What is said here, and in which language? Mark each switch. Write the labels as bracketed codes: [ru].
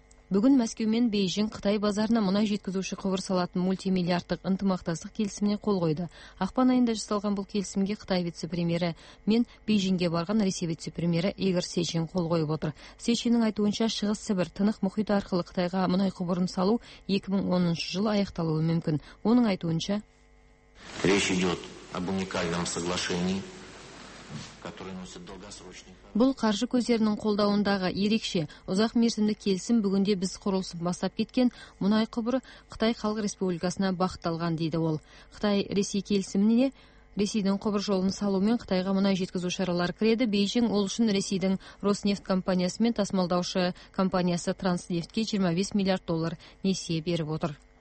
[kk] Бүгін Мәскеу мен Бейжің Қытай базарына мұнай жеткізуші құбыр салатын мультимиллиардтық ынтымақтастық келісіміне қол қойды. Ақпан айында жасалған бұл келісімге Қытай вице-премьері мен Бейжіңге барған Ресей вице-премьері Игорь Сечин қол қойып отыр. Сечиннің айтуынша, Шығыс Сібір тынық мұхиты арқылы Қытайға мұнай құбырын салу 2010 жылы аяқталуы мүмкін. Оның айтуынша, [ru] речь идет об уникальном соглашении, который носит долгосрочный. [kk] Бұл қаржы көздерінің қолдауындағы ерекше ұзақ мерзімді келісім бүгінде біз құрылысын бастап кеткен мұнай құбыры Қытай Халық Республикасына бағытталған, дейді ол. Қытай Ресей келісіміне Ресейдің құбыр жолын салумен Қытайға мұнай жеткізу шаралары кіреді. Бейжің ол үшін Ресейдің Роснефть компаниясы мен тасымалдаушы компаниясы Транснефтке 25 миллиард доллар несие беріп отыр.